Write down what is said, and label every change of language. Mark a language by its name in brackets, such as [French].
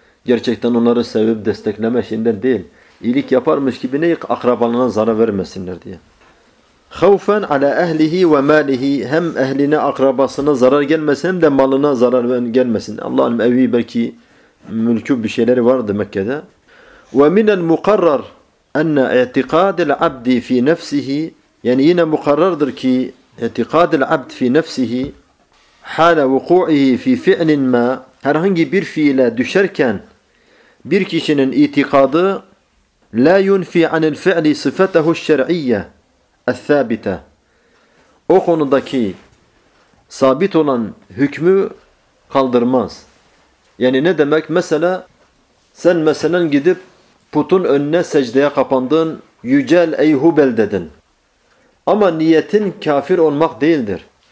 [Turkish] Gerçekten onları sevip destekleme şeyinden değil. İyilik yaparmış gibi ne akrabalarına zarar vermesinler diye. [Arabic] خَوْفًا عَلَى اَهْلِهِ وَمَالِهِ [Turkish] Hem ehline, akrabasına zarar gelmesin hem de malına zarar gelmesin. Allah'ım evi belki mülkü bir şeyleri vardı Mekke'de. [Arabic] وَمِنَ الْمُقَرَّرْ اَنَّ اَتِقَادِ الْعَبْدِ فِي نَفْسِهِ [Turkish] Yani yine mukarrardır ki [Arabic] اَتِقَادِ الْعَبْدِ فِي نَفْسِهِ حَالَ وُقُوعِهِ فِي فِعْلٍ مَا [Turkish] Herhangi bir fiile düşerken bir kişinin itikadı [Arabic] لَا يُنْفِي عَنِ الْفِعْلِ صِفَتَهُ الشَّرْعِيَّةِ sabite. [Turkish] O konudaki sabit olan hükmü kaldırmaz. Yani ne demek? Mesela sen mesela gidip putun önüne secdeye kapandın. Yücel ey Hubel dedin. Ama niyetin kafir olmak değildir.